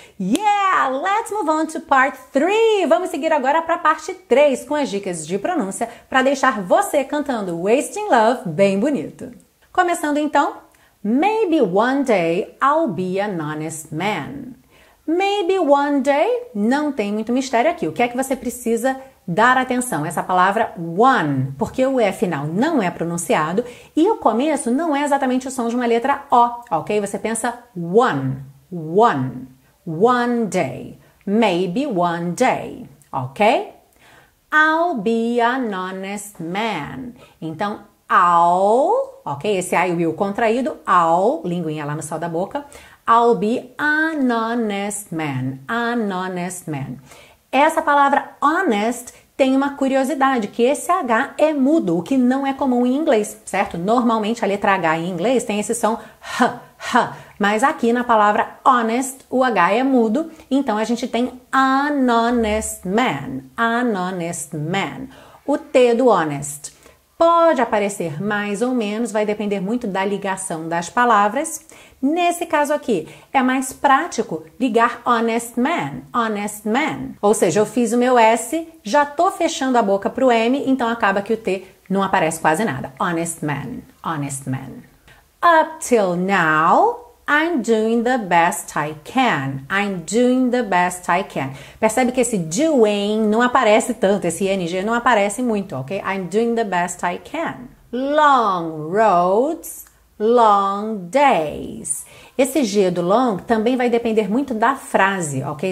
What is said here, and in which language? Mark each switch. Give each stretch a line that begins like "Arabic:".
English: Yeah, let's move on to part 3.
Portuguese: Vamos seguir agora para a parte 3 com as dicas de pronúncia para deixar você cantando Wasting Love bem bonito. Começando então,
English: maybe one day I'll be an honest man. Maybe one day,
Portuguese: não tem muito mistério aqui. O que é que você precisa dar atenção? Essa palavra one, porque o E final não é pronunciado e o começo não é exatamente o som de uma letra O, ok? Você pensa one.
English: One, one day, maybe one day, ok? I'll be an honest man. Então, I'll, ok?
Portuguese: Esse I will contraído, I'll, linguinha lá no sol da boca.
English: I'll be an honest man, an honest man.
Portuguese: Essa palavra honest tem uma curiosidade, que esse H é mudo, o que não é comum em inglês, certo? Normalmente a letra H em inglês tem esse som h, h. Mas aqui na palavra honest, o H é mudo, então a gente tem
English: an honest man, an honest man.
Portuguese: O T do honest pode aparecer mais ou menos, vai depender muito da ligação das palavras. Nesse caso aqui, é mais prático ligar
English: honest man, honest man.
Portuguese: Ou seja, eu fiz o meu S, já tô fechando a boca pro M, então acaba que o T não aparece quase nada.
English: Honest man, honest man. Up till now, I'm doing the best I can. I'm doing the best I can.
Portuguese: Percebe que esse doing não aparece tanto, esse ing não aparece muito, ok?
English: I'm doing the best I can. Long roads, long days.
Portuguese: Esse G do long também vai depender muito da frase, ok?